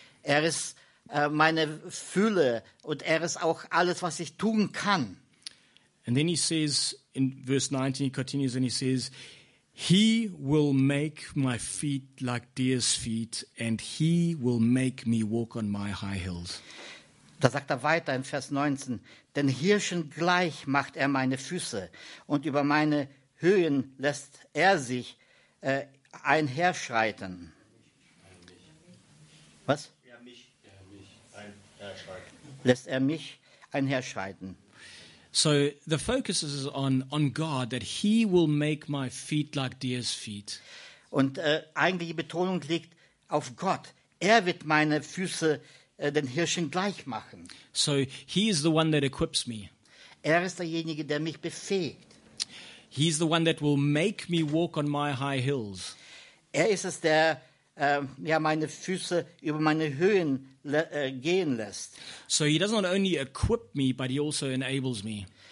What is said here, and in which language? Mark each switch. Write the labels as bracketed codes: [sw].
[de] Er ist meine Fülle und er ist auch alles, was ich tun kann. [en] And then he says, in verse 19, he continues and he says, he will make my feet like deer's feet and he will make me walk on my high hills. [de] Da sagt er weiter in Vers 19, denn Hirschen gleich macht er meine Füße und über meine Höhen lässt er sich einherschreiten. Was? Lässt er mich einherschreiten. [en] So the focus is on God, that he will make my feet like deer's feet. [de] Und eigentlich die Betonung liegt auf Gott. Er wird meine Füße den Hirschen gleich machen. [en] So he is the one that equips me. [de] Er ist derjenige, der mich befähigt. [en] He is the one that will make me walk on my high hills. [de] Er ist es, der meine Füße über meine Höhen gehen lässt. [en] So he does not only equip me, but he also enables me.